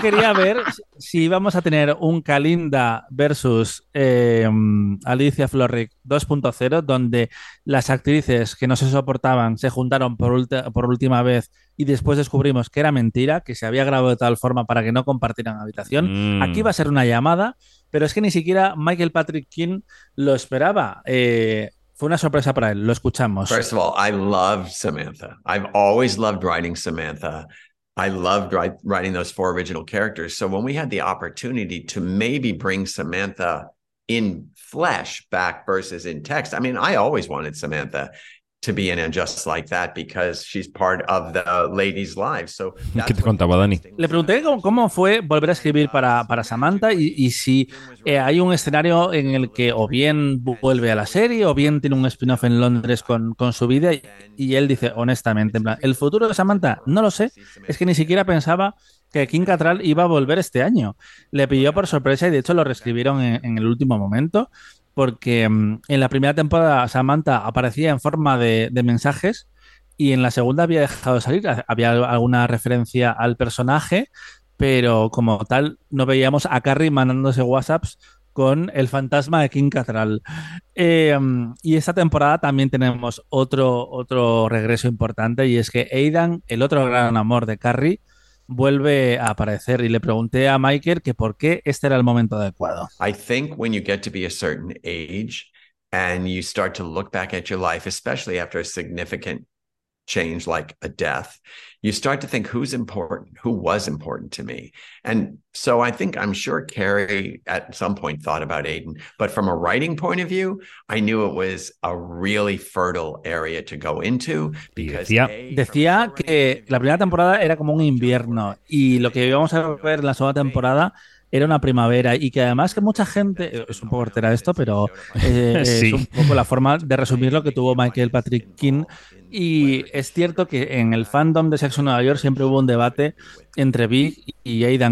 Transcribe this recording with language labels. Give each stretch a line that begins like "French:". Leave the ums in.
Spanish: quería ver si íbamos a tener un Kalinda versus eh, Alicia Florrick 2.0, donde las actrices que no se soportaban se juntaron por, por última vez y después descubrimos que era mentira, que se había grabado de tal forma para que no compartieran habitación. Mm. Aquí va a ser una llamada, pero es que ni siquiera Michael Patrick King lo esperaba. Eh, fue una sorpresa para él, lo escuchamos.
English: First of all, I love Samantha. I've always loved writing Samantha. I loved write, writing those four original characters. So when we had the opportunity to maybe bring Samantha in flesh back versus in text, I mean, I always wanted Samantha to because
Spanish: ¿Qué te contaba, Dani? Le pregunté cómo, cómo fue volver a escribir para, para Samantha y, y si eh, hay un escenario en el que o bien vuelve a la serie o bien tiene un spin-off en Londres con, con, su vida. Y, y él dice, honestamente, plan, el futuro de Samantha, no lo sé. Es que ni siquiera pensaba que Kim Catral iba a volver este año. Le pilló por sorpresa y de hecho lo reescribieron en, en el último momento porque en la primera temporada Samantha aparecía en forma de, de, mensajes y en la segunda había dejado de salir. Había alguna referencia al personaje, pero como tal no veíamos a Carrie mandándose WhatsApps con el fantasma de King Catral. Eh, y esta temporada también tenemos otro, otro regreso importante y es que Aidan, el otro gran amor de Carrie, vuelve a aparecer y le pregunté a Michael que por qué este era el momento adecuado.
English: I think when you get to be a certain age and you start to look back at your life, especially after a significant change like a death you start to think who's important who was important to me and so i think i'm sure carrie at some point thought about aiden but from a writing point of view i knew it was a really fertile area to go into because
Spanish: decía, decía, a, decía que la primera temporada era como un invierno y lo que íbamos a ver la segunda temporada era una primavera y que además que mucha gente, es un poco hortera esto, pero eh, sí. es un poco la forma de resumir lo que tuvo Michael Patrick King. Y es cierto que en el fandom de Sexo Nueva York siempre hubo un debate entre Big y Aidan.